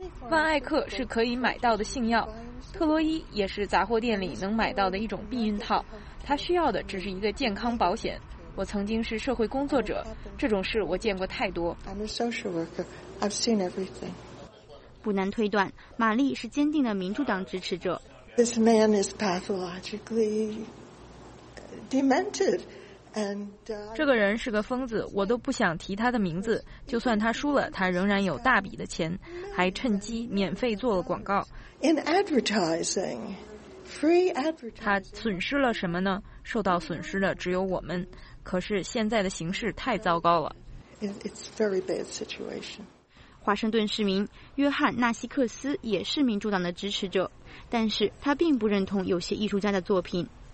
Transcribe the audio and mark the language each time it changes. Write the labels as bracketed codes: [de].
[zh] 万艾克是可以买到的性药，特洛伊也是杂货店里能买到的一种避孕套，她需要的只是一个健康保险，我曾经是社会工作者，这种事我见过太多。不难推断，玛丽是坚定的民主党支持者。 [en] This man is pathologically demented. [zh] 这个人是个疯子，我都不想提他的名字。就算他输了，他仍然有大笔的钱，还趁机免费做了广告。 [en] In advertising, free advertising. [zh] 他损失了什么呢？受到损失的只有我们。可是现在的形势太糟糕了。 [en] It's a very bad situation. [zh] 华盛顿市民约翰·纳西克斯也是民主党的支持者，但是他并不认同有些艺术家的作品。